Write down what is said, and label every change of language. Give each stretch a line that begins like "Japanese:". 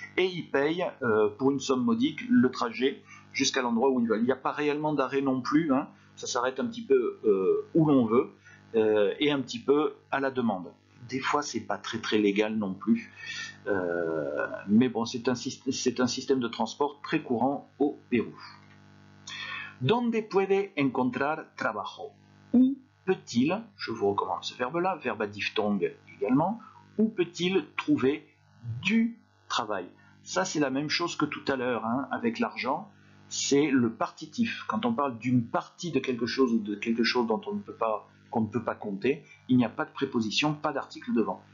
French: Et ils payent pour une somme modique le trajet jusqu'à l'endroit où ils veulent. Il n'y a pas réellement d'arrêt non plus, hein. Ça s'arrête un petit peu où l'on veut et un petit peu à la demande. Des fois, ce n'est pas très très légal non plus, mais bon, c'est un système de transport très courant au Pérou.
Spanish: Donde puede encontrar trabajo?
French: Où peut-il, je vous recommande ce verbe-là, verbe à diphtongue également, où peut-il trouver du travail? Ça, c'est la même chose que tout à l'heure, hein, avec l'argent, c'est le partitif. Quand on parle d'une partie de quelque chose ou de quelque chose dont on ne peut pas, qu'on ne peut pas compter, il n'y a pas de préposition, pas d'article devant.